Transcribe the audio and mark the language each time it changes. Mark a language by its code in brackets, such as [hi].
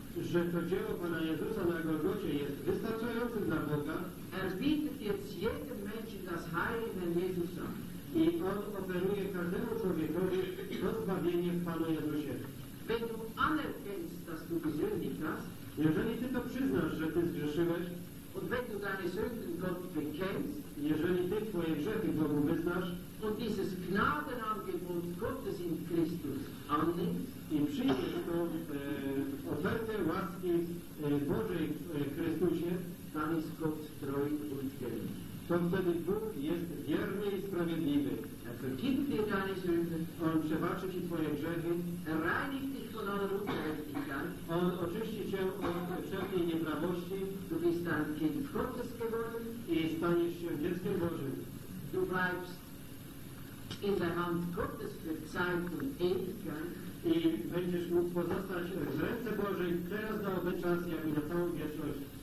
[pl] że to dzieło Pana Jezusa na Golgocie jest wystarczającym dla Boga, [de] er bietet jetzt jedem Menschen das Heil in den Jezusa. [pl] I on oferuje każdemu człowiekowi to zbawienie w Panu Jezusie. [de] Wenn du anerkennst, dass du gesündigt hast, [pl] jeżeli ty to przyznasz, że ty zgrzeszyłeś, [de] und wenn du deine Sünden Gott bekennst, [pl] jeżeli ty twoje grzechy Bogu wyznasz, [de] und dieses Gnadenangebot Gottes in Christus annimmst, [pl] i przyjmiesz tą ofertę łaski Bożej w Chrystusie, [de] dann ist Gott treu und gerecht. [pl] To wtedy Bóg jest wierny i sprawiedliwy. [de] Er vergibt dir deine Sünden. [pl] On przebaczy ci twoje grzechy. [de] Er reinigt dich von aller Unrechtigkeit. [pl] On oczyści cię od wszelkiej nieprawości. [de] Du bist ein Kind Gottes geworden. [pl] I staniesz się dzieckiem Bożym. [de] Du bleibst in der Hand Gottes für Zeit und Ewigkeit. [pl] I będziesz mógł pozostać w ręce Bożej teraz na owy czas, jak i na całą wieczność.